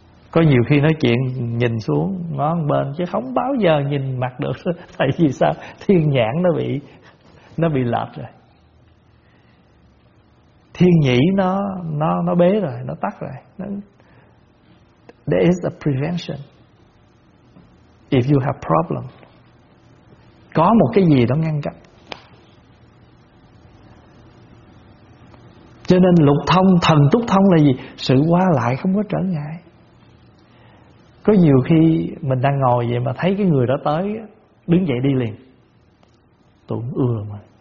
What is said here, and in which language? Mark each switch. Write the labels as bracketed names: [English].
[Vietnamese] Có nhiều khi nói chuyện nhìn xuống, ngó bên, chứ không bao giờ nhìn mặt được. Tại vì sao? Thiên nhãn nó bị lệch rồi. Thiên nhĩ nó bế rồi, nó tắt rồi. [English] There is a prevention if you have problem. [Vietnamese] Có một cái gì đó ngăn cách. Cho nên lục thông, thần túc thông là gì? Sự qua lại không có trở ngại. Có nhiều khi mình đang ngồi vậy mà thấy cái người đó tới, đứng dậy đi liền. Tôi cũng ưa mà.